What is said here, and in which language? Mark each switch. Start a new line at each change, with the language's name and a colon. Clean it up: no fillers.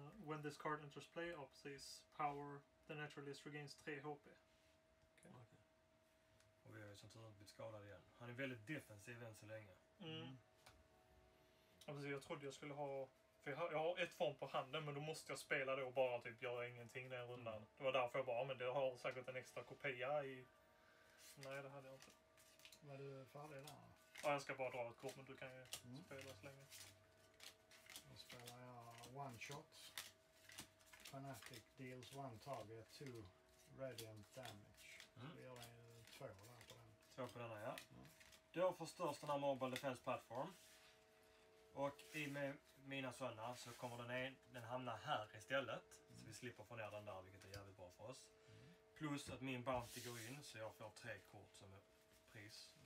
English: When this card enters play, opposite power, the naturalist regains 3 HP.
Swedish: Okay. Och vi har ju som tur blivit skadad igen. Han är väldigt defensiv än så länge. Mm. Alltså, jag trodde jag skulle ha... För jag har ett form på handen, men då måste jag spela det och bara typ göra ingenting den rundan. Mm. Det var därför jag bara, men det har säkert en extra kopia i... Nej, det hade jag inte. Var du färdig där? Ja, jag ska bara dra ett kort, men du kan ju spela så länge. Då spelar jag one shot.
English: Fanatic deals one target, two radiant damage. Mm.
Swedish: Så det gör jag två där på den. Två på den där, ja. Mm. Då förstörs den här mobile defense platform. Och i med mina sönder så kommer den hamna här istället. Mm. Så vi slipper få ner den där, vilket är jävligt bra för oss. Mm. Plus att min bounty går in, så jag får tre kort som är pris.